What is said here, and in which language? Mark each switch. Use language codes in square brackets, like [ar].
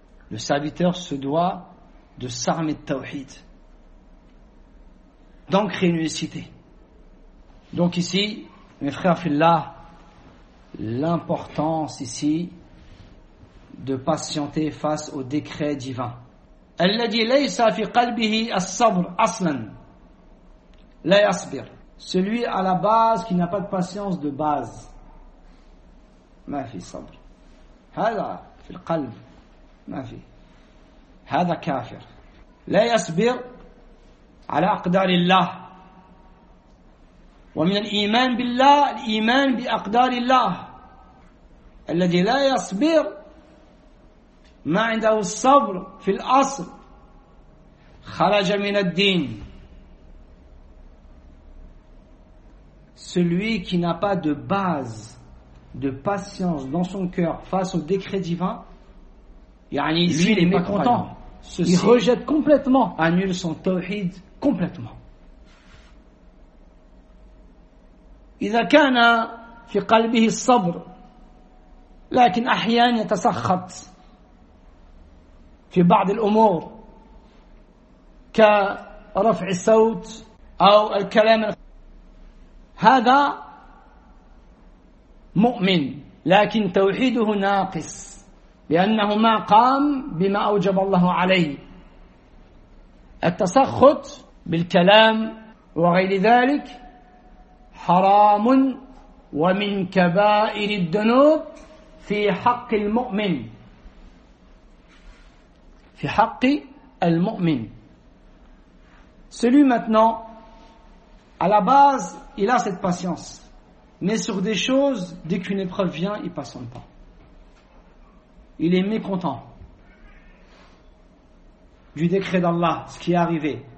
[fr] Le serviteur se doit de s'armer de tawhid, d'ancrer une cité. Donc ici, mes frères fillah, l'importance ici de patienter face au décret divin. [ar] الذي ليس في قلبه الصبر اصلا لا يصبر. [fr] Celui à la base qui n'a pas de patience de base. [ar] ما في صبر. هذا في القلب. ما في. هذا كافر. لا يصبر على أقدار الله. ومن الإيمان بالله الإيمان بأقدار الله. الذي لا يصبر ما عنده الصبر في الأصل خرج من الدين. [fr] Celui qui n'a pas de base de patience dans son cœur face au décret divin, [ar] يعني [fr] ici, lui il est mécontent. Ceci il rejette complètement, annule son tawhid complètement. [ar] إذا كان في قلبه الصبر لكن أحيانا يتسخط في بعض الأمور كرفع الصوت أو الكلام، هذا مؤمن لكن توحيده ناقص، لأنه ما قام بما أوجب الله عليه. التسخط بالكلام وغير ذلك حرام ومن كبائر الذنوب في حق المؤمن، في حق المؤمن. [fr] Celui maintenant, à la base, il a cette patience. Mais sur des choses, dès qu'une épreuve vient, il passe son temps. Il est mécontent du décret d'Allah, ce qui est arrivé.